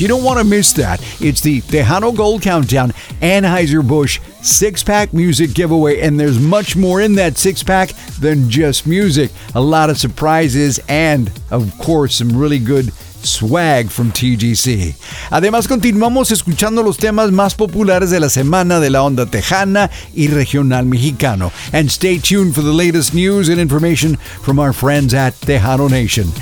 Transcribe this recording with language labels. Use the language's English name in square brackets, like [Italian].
[English] You don't want to miss that. It's the Tejano Gold Countdown Anheuser-Busch six-pack music giveaway, and there's much more in that six-pack than just music. A lot of surprises and, of course, some really good swag from TGC. [Spanish] Además, continuamos escuchando los temas más populares de la semana de la onda tejana y regional mexicano. [English] And stay tuned for the latest news and information from our friends at Tejano Nation.